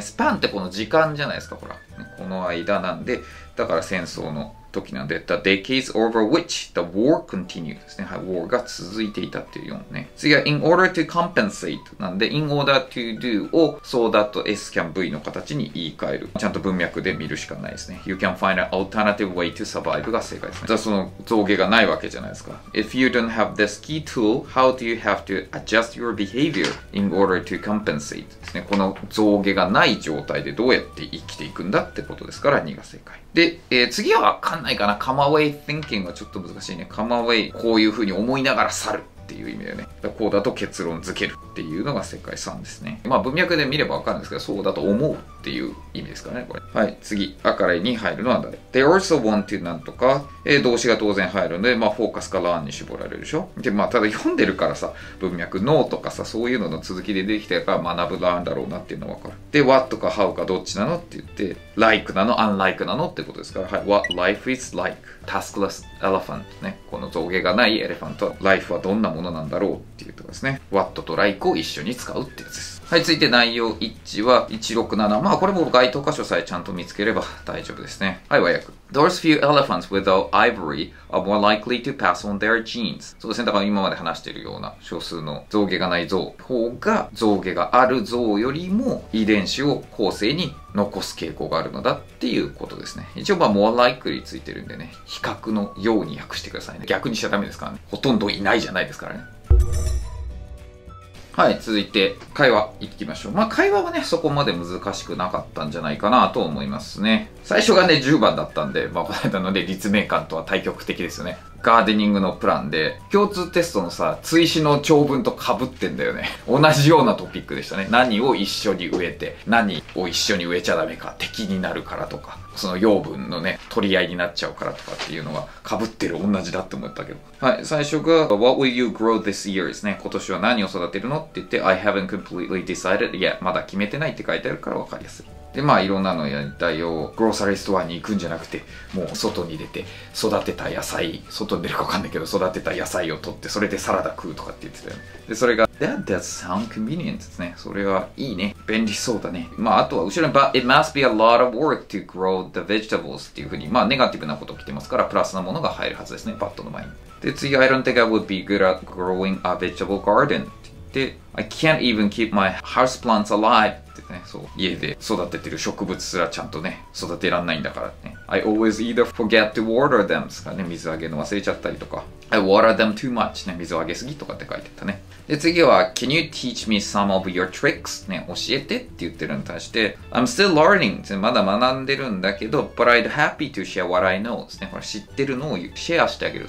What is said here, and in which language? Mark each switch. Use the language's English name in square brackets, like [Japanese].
[Japanese] スパンってこの時間じゃないですか、ほら、ね、この間なんで、だから戦争の時なんで、 [English] The decades over which the war continued [Japanese] ですね。はい、war が続いていたっていうのね。次は [English] in order to compensate [Japanese] なんで、 in order to do を so that S can V の形に言い換える。ちゃんと文脈で見るしかないですね。 [English] You can find an alternative way to survive [Japanese] が正解ですね。じゃあその象牙がないわけじゃないですか。 [English] If you don't have this key tool, how do you have to adjust your behavior in order to compensate ですね。 [Japanese] この象牙がない状態でどうやって生きていくんだってことですから2が正解。で、次は分かんないかな。come away thinking はちょっと難しいね。 come away こういう風に思いながら去るっていう意味だよね。だこうだと結論付けるっていうのが正解3ですね。まあ文脈で見れば分かるんですけど、そうだと思うっていう意味ですかね、これ。はい、次。あから A に入るのは誰？They also want to なんとか、動詞が当然入るので、まあフォーカスか learn に絞られるでしょ。で、まあただ読んでるからさ、文脈、no とかさ、そういうのの続きでできたから学ぶ learn だろうなっていうのは分かる。で、what か how かどっちなのって言って、like なの、unlike なのってことですから、はい、 [English] what life is like。 taskless elephant ね。 [Japanese] この象牙がないエレファント。life はどんなものなんだろうっていうとこですね。what と like を一緒に使うってやつです。はい、続いて内容1は167。まあこれも該当箇所さえちゃんと見つければ大丈夫ですね。はい、和訳。 [English] Those few elephants without ivory are more likely to pass on their genes. [Japanese] そうですね。だから今まで話しているような少数の象牙がない象方が象牙がある象よりも遺伝子を後世に残す傾向があるのだっていうことですね。一応まあ more likely ついてるんでね、比較のように訳してくださいね。逆にしちゃダメですからね。ほとんどいないじゃないですからね。はい、続いて会話いきましょう。まあ会話はね、そこまで難しくなかったんじゃないかなと思いますね。最初がね10番だったんで、まあこの間ので立命館とは対極的ですよね。ガーデニングのプランで共通テストのさ、追試の長文と被ってんだよね。同じようなトピックでしたね。何を一緒に植えて、何を一緒に植えちゃダメか、敵になるからとか、その養分のね取り合いになっちゃうからとかっていうのが被ってる、同じだって思ったけど。はい、最初が [English] What will you grow this year ですね。 [Japanese] 今年は何を育てるのって言って [English] I haven't completely decided yet、 [Japanese] まだ決めてないって書いてあるから分かりやすい。でまあいろんなのやりたいよ。グローサリーストアに行くんじゃなくて、もう外に出て育てた野菜、外に出るか分かんないけど育てた野菜を取ってそれでサラダ食うとかって言ってたよ、ね、でそれが [English] That does sound convenient [Japanese] ですね。それはいいね、便利そうだね。まああとは後ろに [English] But it must be a lot of work to grow the vegetables [Japanese] っていう風に、まあネガティブなこと来てますからプラスなものが入るはずですね、バットの前に。 [English] で次 I don't think I would be good at growing a vegetable garden って言って I can't even keep my houseplants aliveね、 [Japanese] そう家で育ててる植物すらちゃんとね育てらんないんだからね。 [English] I always either forget to water them とかね、 [Japanese] 水あげの忘れちゃったりとか [English] I water them too much ね、 [Japanese] 水をあげすぎとかって書いてたね。 [English] で次は Can you teach me some of your tricks ね、 [Japanese] 教えてって言ってるのに対して [English] I'm still learning って [Japanese] まだ学んでるんだけど [English] But I'd happy to share what I know ですね、 [Japanese] これ知ってるのをシェアしてあげる。